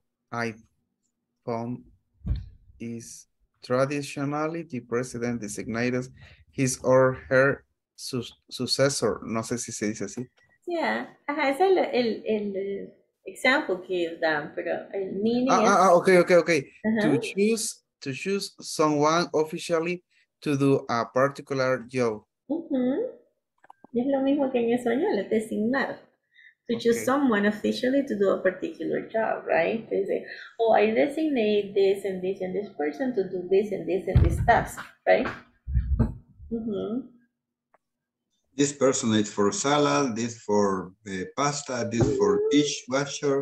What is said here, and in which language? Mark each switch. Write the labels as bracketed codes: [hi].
[en] iPhone is traditionally the president designates his or her successor. [es] No sé si se dice así. [en] Yeah. [es] Ajá, es el example que dan, pero el meaning. [en] Okay. Uh-huh. To choose someone officially to do a particular job. Uh-huh. [es] Es lo mismo que en español, es designar. [en] To choose someone officially to do a particular job, right? They say, oh, I designate this and this and this person to do this and this and this task, right? Mm-hmm. This person is for salad, this for pasta, this mm-hmm. for dishwasher.